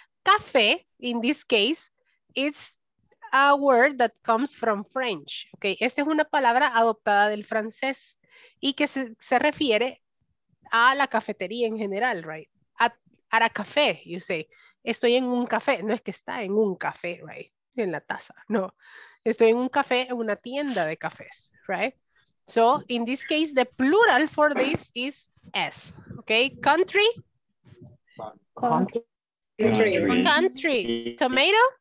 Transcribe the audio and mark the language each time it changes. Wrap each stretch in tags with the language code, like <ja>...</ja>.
<en>Cafe, in this case, it's a word that comes from French.</en> <es>Okay, esta es una palabra adoptada del francés y que se refiere a la cafetería en general, right?</es> <en>At a café, you say.</en> <es>Estoy en un café. No es que está en un café, right? En la taza, no. Estoy en un café, en una tienda de cafés, right?</es> <en>So, in this case, the plural for this is S. Okay, country? Country. Countries. Tomato?</en>